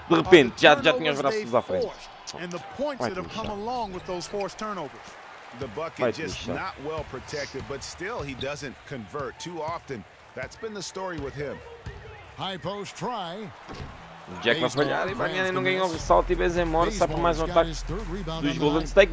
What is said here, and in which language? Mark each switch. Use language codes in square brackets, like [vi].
[pt] De repente já tinha os braços à frente. [en] And the points that have come along with those forced turnovers. The bucket just not well protected, but still he doesn't convert too often. That's been the story with him. High post try. [pt] Jack vai falhar e Bargnani não ganhou o ressalto e Bezemor sai para mais um ataque dos Golden State.